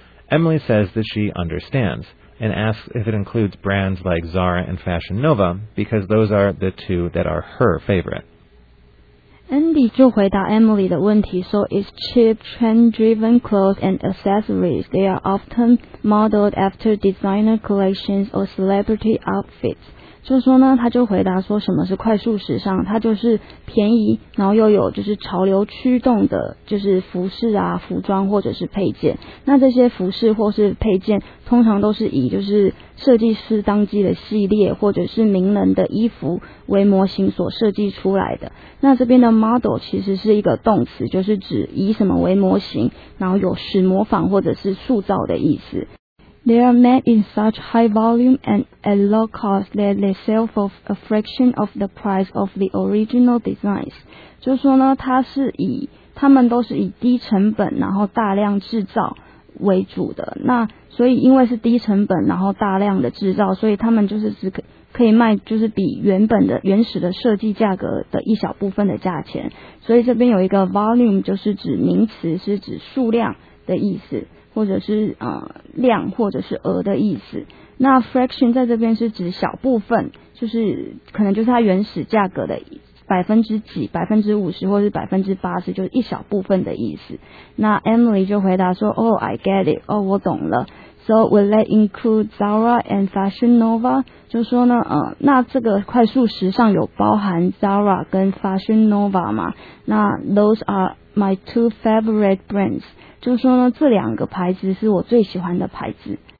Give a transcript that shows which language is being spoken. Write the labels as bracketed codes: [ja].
[en] Emily says that she understands and asks if it includes brands like Zara and Fashion Nova because those are the two that are her favorite. Andy [zh] 就回答 Emily 的问题说 [en] It's cheap, trend-driven clothes and accessories. They are often modeled after designer collections or celebrity outfits. [zh] 就说呢他就回答说什么是快速时尚它就是便宜然后又有就是潮流驱动的就是服饰啊服装或者是配件。那这些服饰或是配件通常都是以就是设计师当季的系列或者是名人的衣服为模型所设计出来的。那这边的 model 其实是一个动词就是指以什么为模型然后有使模仿或者是塑造的意思。 [en] They are made in such high volume and at low cost that they sell for a fraction of the price of the original designs. [zh] 就是说呢，它是以，他们都是以低成本，然后大量制造为主的。那所以因为是低成本，然后大量的制造，所以他们就是只可以卖，就是比原本的原始的设计价格的一小部分的价钱。所以这边有一个 volume 就是指名词，是指数量的意思。或者是量或者是额的意思。那 fraction 在这边是指小部分，就是可能就是它原始价格的百分之几，百分之五十或是百分之八十，就是一小部分的意思。那 Emily 就回答说 ， [en] Oh, I get it. [zh] 哦，我懂了。 [en] So will that include Zara and Fashion Nova? [zh] 就说呢，那这个快速时尚有包含 Zara 跟 Fashion Nova 吗？那 [en] those are my two favorite brands. [zh] 就是说呢，这两个牌子是我最喜欢的牌子。